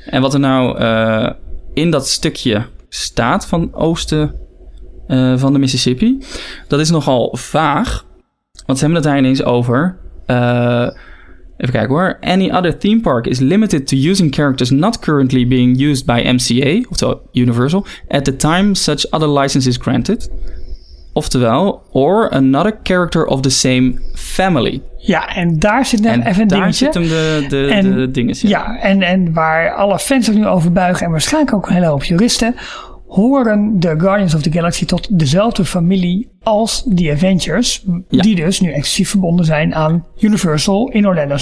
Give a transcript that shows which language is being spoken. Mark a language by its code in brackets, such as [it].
[nl] En wat er nou in dat stukje staat van oosten van de Mississippi. Dat is nogal vaag, want ze hebben het daar ineens over. Even kijken hoor. [en] Any other theme park is limited to using characters not currently being used by MCA, [nl] oftewel [en] Universal, at the time such other license is granted. [nl] Oftewel, [en] or another character of the same family. [nl] Ja, en daar zit net even een dingetje. En daar zit hem de dingetje. Ja, en waar alle fans er nu over buigen en waarschijnlijk ook een hele hoop juristen, horen de Guardians of the Galaxy tot dezelfde familie als die Avengers, ja, die dus nu exclusief verbonden zijn aan Universal in Orlando.